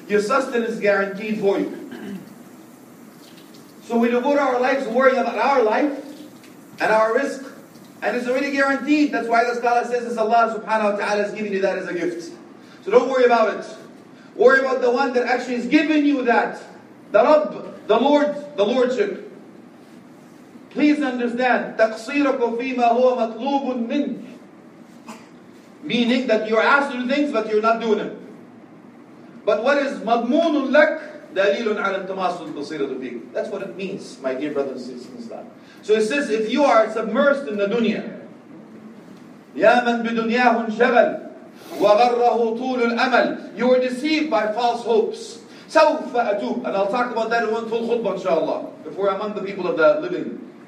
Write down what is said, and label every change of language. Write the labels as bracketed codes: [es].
[en] Your sustenance is guaranteed for you. So we devote our lives to worry about our life and our risk. And it's already guaranteed. That's why the scholar says it's Allah subhanahu wa ta'ala is giving you that as a gift. So don't worry about it. Worry about the one that actually is giving you that. The Rabb, the Lord, the Lordship. Please understand, [ar] تَقْصِيرَكُمْ فِي مَا هُوَ مَطْلُوبٌ مِنْكِ. [en] Meaning that you're asked to do things but you're not doing them. But what is [ar] مَضْمُونٌ لَكْ دَلِيلٌ عَلَى التَّمَاسُ الْبَصِيرَةُ فِيكُمْ. [en] That's what it means, my dear brothers and sisters in Islam. So it says, if you are submersed in the dunya, [ar] يَا مَنْ بِدُنْيَاهُ شَغَلْ وَغَرَّهُ طُولُ الْأَمَلْ. [en] You are deceived by false hopes. [ar] سَوْفَ أَتُوبُ. [en] And I'll talk about that in one full khutbah, inshaAllah, if we're among the people of the living.